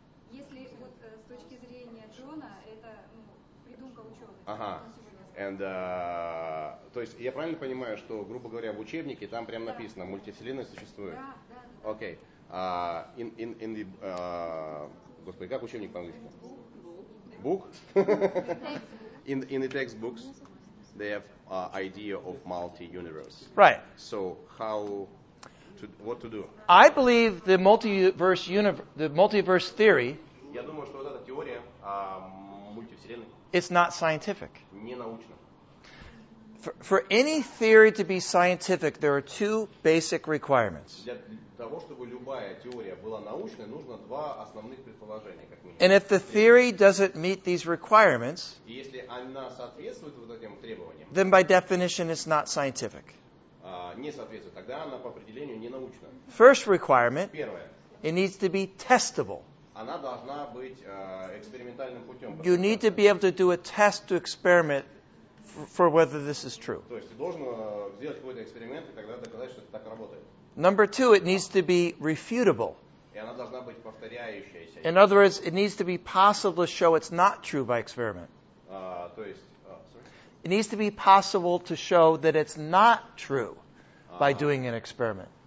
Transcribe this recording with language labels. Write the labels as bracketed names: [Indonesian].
[Russian] Если вот с точки зрения Джона это придумка ученых. Ага. [English] And [Russian] то есть я правильно понимаю, что грубо говоря в учебнике там прям написано мультивселенная существует? Да, да. [English] Okay. In the [Russian] господи, как учебник по-английски? [English] Book? In the textbooks, they have idea of multi-universe. Right. So how to what to do? I believe the multiverse multiverse theory. [Russian] Я думаю, что вот эта теория мультивселенной. [English] It's not scientific. [Russian] Не научно. [English] For any theory to be scientific, there are two basic requirements. [Russian] Для того, чтобы любая теория была научной, нужно два основных предположения, как минимум. [English] And if the theory doesn't meet these requirements, [Russian] если она соответствует вот этим требованиям, [English] then by definition it's not scientific. [Russian] Не соответствует, тогда она по определению не научна. [English] First requirement, [Russian] первое, [English] it needs to be testable. [Russian] Она должна быть экспериментальным путем. [English] You need to be able to do a test to experiment for whether this is true. [Russian] То есть ты должен сделать какой-то эксперимент и тогда доказать, что это так работает. [English] Number two, it needs to be refutable. [Russian] И она должна быть повторяющаяся. [English] In other words, it needs to be possible to show it's not true by experiment. [Russian] То есть, [English] sorry. It needs to be possible to show that it's not true by doing an experiment.